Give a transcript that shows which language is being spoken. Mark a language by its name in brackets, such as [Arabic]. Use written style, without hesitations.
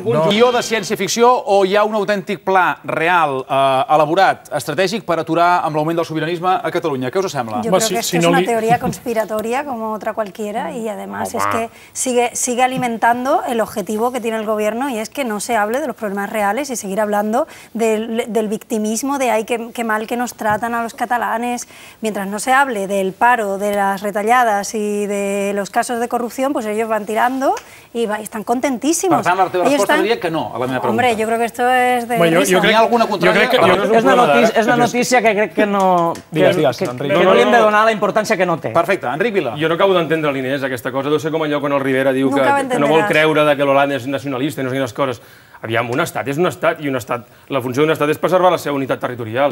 [Catalan] Guió de ciència-ficció o hi ha un autèntic pla real, elaborat, estratègic per aturar amb l'augment del sobiranisme a Catalunya? Què us sembla? Jo crec que és una teoria [Spanish] conspiratoria como otra cualquiera y además es que sigue alimentando el objetivo que tiene el gobierno y es que no se hable de los problemas reales y seguir hablando del victimismo de ay, qué mal que nos tratan a los catalanes. Mientras no se hable del paro, de las retalladas y de los casos de corrupción, pues ellos van tirando y están contentísimos. [Catalan] Per tant, la teva resposta diria que no a la meva pregunta. [Spanish] Hombre, yo creo que esto es de... [Catalan] És una notícia que crec que no... Digues, que no li hem de donar la importància que no té. Perfecte, Enric Vila. Jo no acabo d'entendre l'Inés, aquesta cosa. Deu ser com allò quan el Rivera diu que no vol creure que l'Holanda és nacionalista i no sé quines coses. Aviam, un estat és un estat, i la funció d'un estat és preservar la seva unitat territorial.